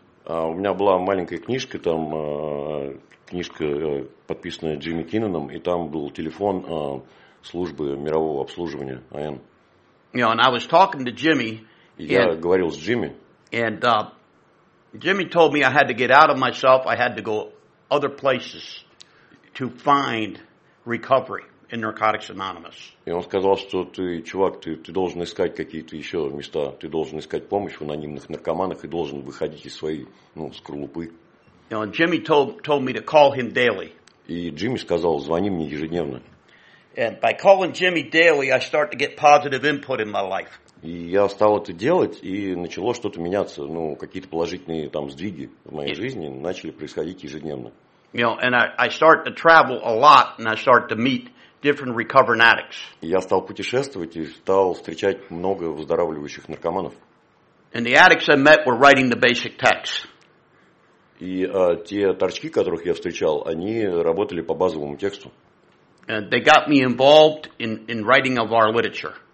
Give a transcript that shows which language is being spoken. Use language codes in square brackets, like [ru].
[ru] У меня была маленькая книжка там. Книжка, подписанная Джимми Кинноном, и там был телефон службы мирового обслуживания, АН. [en] You know, and I was talking to Jimmy. [ru] Я говорил с Джимми. [en] And Jimmy told me I had to get out of myself, I had to go other places to find recovery in Narcotics Anonymous. [ru] И он сказал, что ты, чувак, ты должен искать какие-то еще места, ты должен искать помощь в анонимных наркоманах и должен выходить из своей, ну, скорлупы. [en] You know, Jimmy told me to call him daily. [ru] И Джимми сказал, звони мне ежедневно. [en] And by calling Jimmy daily, I start to get positive input in my life. [ru] И я стал это делать, и начало что-то меняться. Ну, какие-то положительные там сдвиги в моей жизни начали происходить ежедневно. [en] You know, and I start to travel a lot, and I start to meet different recovering addicts. [ru] Я стал путешествовать и стал встречать много выздоравливающих наркоманов. [en] And the addicts I met were writing the basic text. [ru] И те торчки, которых я встречал, они работали по базовому тексту. [en] And they got me involved in writing of our literature.